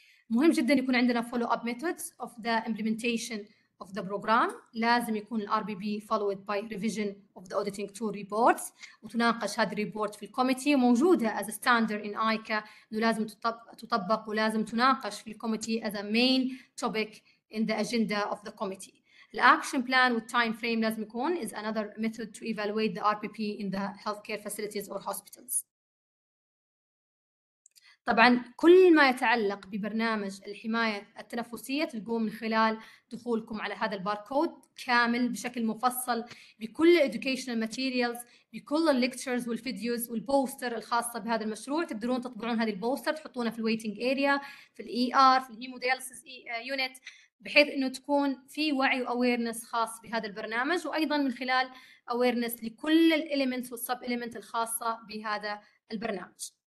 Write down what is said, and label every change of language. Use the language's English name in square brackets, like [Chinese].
[Arabic] مهم جدا يكون عندنا [English] follow-up methods of the implementation of the program. [Arabic] لازم يكون الـ [English] RBB followed by revision of the auditing tool reports، [Arabic] وتناقش هذه الريبورت في الكوميتي، وموجودة [English] as a standard in ICA [Arabic] انه لازم تطبق ولازم تناقش في الكوميتي [English] as a main topic in the agenda of the committee. The action plan with time frame [Arabic] لازم يكون [English] is another method to evaluate the RPP in the healthcare facilities or hospitals. [Arabic] طبعا كل ما يتعلق ببرنامج الحماية التنفسية تلقوه من خلال دخولكم على هذا الباركود كامل بشكل مفصل بكل [English] educational materials، [Arabic] بكل lectures والفيديوز والبوستر الخاصة بهذا المشروع. تقدرون تطبعون هذه البوستر تحطونها في الويتنج اريا، في الاي ار، في الهيموداليسيس يونت، بحيث انه تكون في وعي واويرنس خاص بهذا البرنامج، وايضا من خلال اويرنس لكل الاليمنتس والسب اليمنت الخاصه بهذا البرنامج.